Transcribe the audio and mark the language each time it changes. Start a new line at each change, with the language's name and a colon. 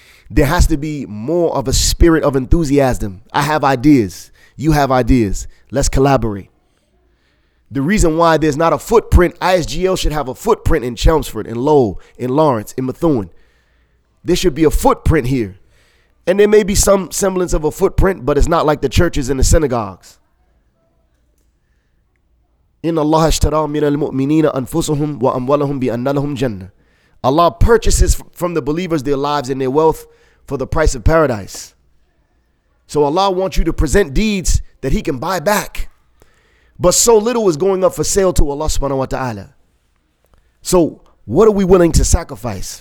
English: There has to be more of a spirit of enthusiasm. I have ideas. You have ideas. Let's collaborate. The reason why there's not a footprint, ISGL should have a footprint in Chelmsford, in Lowell, in Lawrence, in Methuen. There should be a footprint here. And there may be some semblance of a footprint, but it's not like the churches and the synagogues.
Arabic: إن الله اشترى من المؤمنين أنفسهم وأموالهم بأن لهم جنة.
English: Allah purchases from the believers their lives and their wealth for the price of paradise. So Allah wants you to present deeds that He can buy back. But so little is going up for sale to Allah subhanahu wa ta'ala. So what are we willing to sacrifice?